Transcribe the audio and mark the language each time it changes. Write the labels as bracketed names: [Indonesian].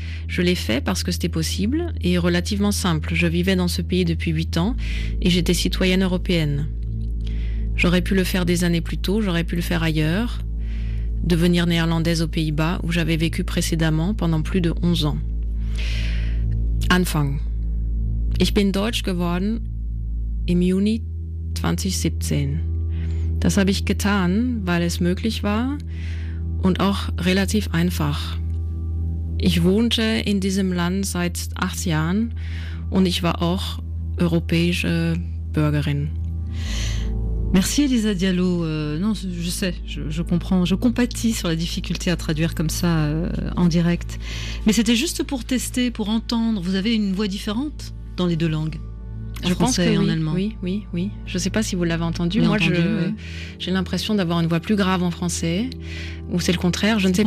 [French] Je l'ai fait parce que c'était possible et relativement simple. Je vivais dans ce pays depuis 8 ans et j'étais citoyenne européenne. J'aurais pu le faire des années plus tôt, j'aurais pu le faire ailleurs, devenir néerlandaise aux Pays-Bas où j'avais vécu précédemment pendant plus de 11 ans. [German] Anfang. Ich bin Deutsch geworden im Juni 2017. Das habe ich getan, weil es möglich war und auch relativ einfach. Ich wohnte in diesem Land seit 8 Jahren und ich war auch europäische Bürgerin. [French] Merci Elisa Diallo. Non, je sais, je comprends, je compatis sur la difficulté à traduire comme ça en direct. Mais c'était juste pour tester, pour entendre. Vous avez une voix différente dans les deux langues. Je pense que en oui, allemand. Oui. Je ne sais pas si vous l'avez entendu. J'ai l'impression d'avoir une voix plus grave en français, ou c'est le contraire.